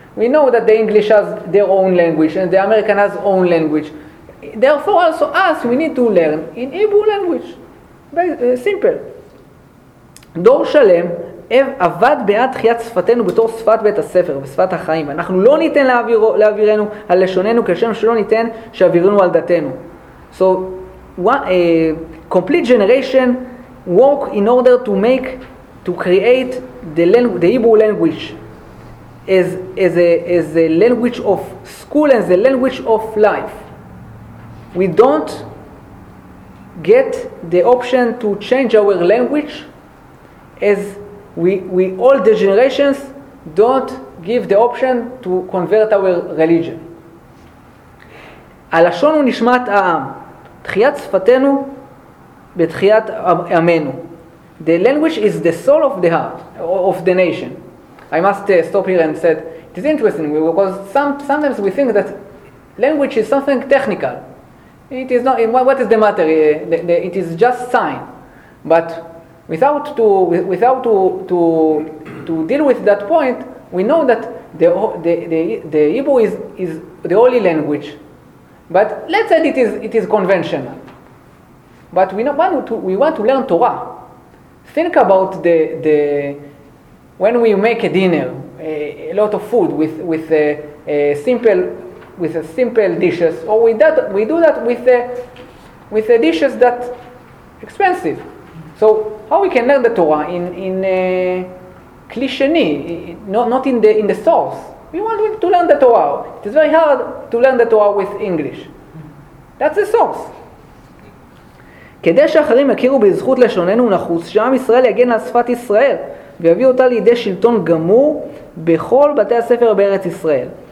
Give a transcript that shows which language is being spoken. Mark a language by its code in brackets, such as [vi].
[en] We know that the English has their own language and the American has own language. Therefore, also us, we need to learn in Hebrew language. Very simple. [he] דור שלם עבד בעד תחיית שפתנו בתור שפת בית הספר ושפת החיים. אנחנו לא ניתן להעבירנו על לשוננו כשם שלא ניתן שעבירנו על דתנו. [en] So, a complete generation work in order to make, to create the Hebrew language as a language of school and the language of life. We don't get the option to change our language as we all the generations don't give the option to convert our religion. [he] הלשון הוא נשמת העם. תחיית שפתנו בתחיית עמנו. [en] The language is the soul of the heart, of the nation. I must stop here and said, it is interesting because sometimes we think that language is something technical. It is not, what is the matter? It is just sign. But without to deal with that point, we know that the Hebrew is the holy language. But let's say it is conventional. But we want to learn Torah. Think about the when we make a dinner, a lot of food with a simple dishes, or we do that with a dishes that expensive. So how we can learn the Torah in a cliché, not in the source? We want to learn the Torah. It is very hard to learn the Torah with English. That's the source. [he] כדי שאחרים יכירו בזכות לשוננו נחוץ, שעם ישראל יגן על שפת ישראל ויביא אותה לידי שלטון גמור בכל בתי הספר בארץ ישראל.